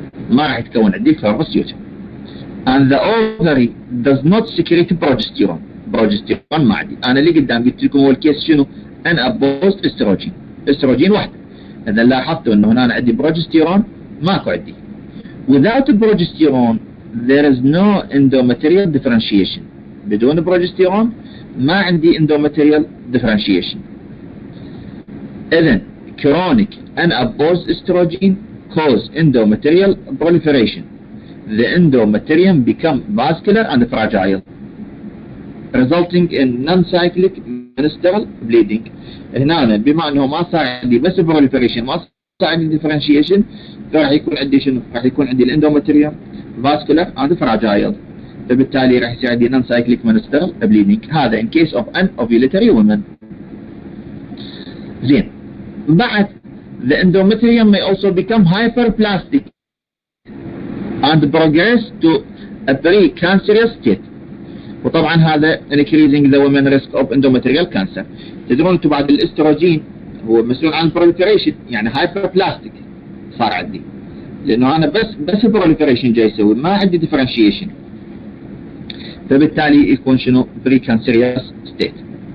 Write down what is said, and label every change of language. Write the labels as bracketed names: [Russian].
[Arabic] ما راح يتكون عندي [English] corpus luteum. And the ovary does not secrete progesterone. Progesterone [Arabic] ما عندي. أنا اللي قدام قلت لكم هو الكيس شنو؟ أنا أبوست استروجين. استروجين واحد. إذا لاحظتوا إنه هنا أنا عندي progesterone ماكو عندي. [English] Without progesterone there is no endometrial differentiation. [Arabic] بدون progesterone ما عندي endometrial differentiation. [English] إذن chronic unopposed estrogen cause endometrial proliferation the endometrium become vascular and fragile resulting in non-cyclic menstrual bleeding [Arabic] هنا بما انه ما صار عندي [English] بس proliferation ما صار عندي differentiation [Arabic] راح يكون عندي شنو راح يكون عندي الاندوميتريوم [English] vascular and fragile [Arabic] فبالتالي راح يصير عندي [English] non-cyclic menstrual bleeding هذا in case of an ovulatory woman [Arabic] زين بعد [English] the endometrium may also become hyperplastic and progress to a pre-cancerous state. [Arabic] وطبعا هذا [English] increasing the women risk of endometrial cancer. [Arabic] تدرون انتم بعد الاستروجين هو مسؤول عن proliferation يعني hyperplastic صار عندي. لانه انا بس proliferation جاي يسوي ما عندي differentiation. فبالتالي يكون شنو pre-cancerous state.